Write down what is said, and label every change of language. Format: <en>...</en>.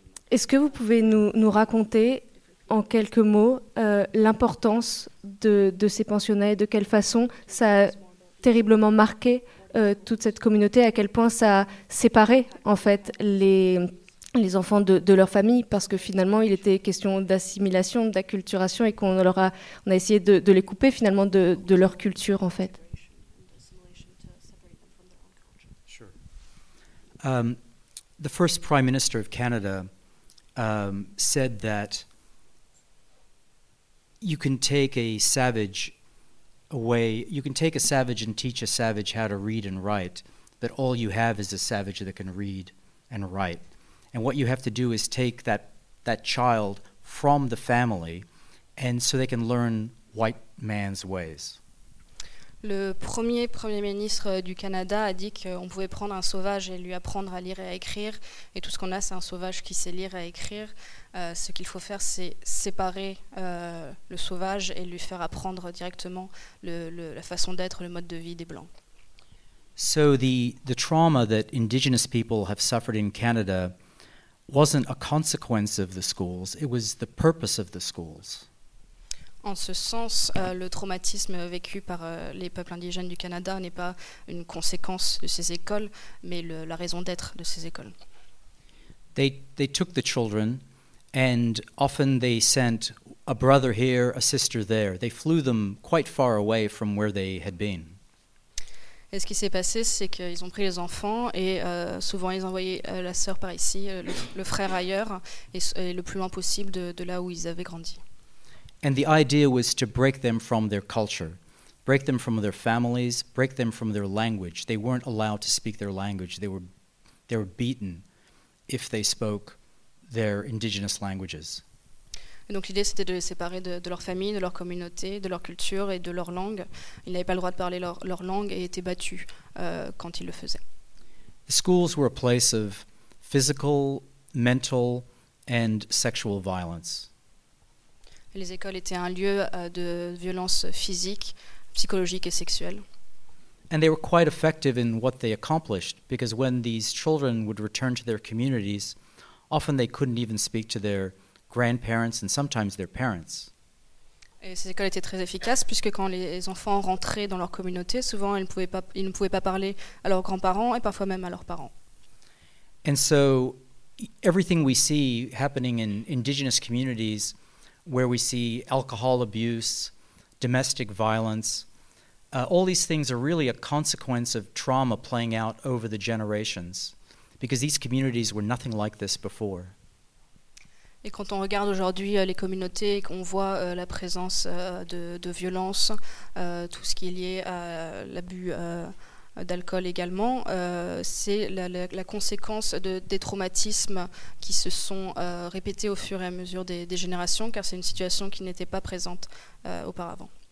<fr>Est-ce que vous pouvez nous raconter en quelques mots l'importance de ces pensionnats et de quelle façon ça a terriblement marqué toute cette communauté, à quel point ça a séparé en fait les enfants de leur famille, parce que finalement il était question d'assimilation, d'acculturation, et qu'on on a essayé de les couper finalement de leur culture en fait.</fr> <en>Sure. The first Prime Minister of Canada said that you can take a savage away, you can take a savage and teach a savage how to read and write, but all you have is a savage that can read and write. And what you have to do is take that child from the family, and so they can learn white man's ways.</en> <fr>Le premier ministre du Canada a dit qu'on pouvait prendre un sauvage et lui apprendre à lire et à écrire, et tout ce qu'on a, c'est un sauvage qui sait lire et écrire. Ce qu'il faut faire, c'est séparer le sauvage et lui faire apprendre directement la façon d'être, le mode de vie des Blancs.</fr> <en>So the trauma that Indigenous people have suffered in Canada wasn't a consequence of the schools, it was the purpose of the schools.</en> <fr>En ce sens, le traumatisme vécu par les peuples indigènes du Canada n'est pas une conséquence de ces écoles, mais la raison d'être de ces écoles.</fr> <en>They took the children, and often they sent a brother here, a sister there. They flew them quite far away from where they had been.</en> <fr>Et ce qui s'est passé, c'est qu'ils ont pris les enfants et souvent ils envoyaient la sœur par ici, le frère ailleurs, et le plus loin possible de là où ils avaient grandi.</fr> <en>And the idea was to break them from their culture, break them from their families, break them from their language. They weren't allowed to speak their language. They were beaten if they spoke their indigenous languages.</en> <fr>Et donc l'idée, c'était de les séparer de leur famille, de leur communauté, de leur culture et de leur langue. Ils n'avaient pas le droit de parler leur langue et étaient battus quand ils le faisaient.</fr> <en>The schools were a place of physical, mental and sexual violence.</en> <fr>Les écoles étaient un lieu de violence physique, psychologique et sexuelle.</fr> <en>And they were quite effective in what they accomplished, because when these children would return to their communities, often they couldn't even speak to their grandparents and sometimes their parents.</en> <fr>Et ces écoles étaient très efficaces, puisque quand les enfants rentraient dans leur communauté, souvent ils ne pouvaient pas parler à leurs grands-parents et parfois même à leurs parents.</fr> <en>And so everything we see happening in indigenous communities, where we see alcohol abuse, domestic violence, all these things are really a consequence of trauma playing out over the generations, because these communities were nothing like this before.</en> <fr>Et quand on regarde aujourd'hui les communautés et qu'on voit la présence de violence, tout ce qui est lié à l'abus d'alcool également, c'est la conséquence des traumatismes qui se sont répétés au fur et à mesure des générations, car c'est une situation qui n'était pas présente auparavant.</fr>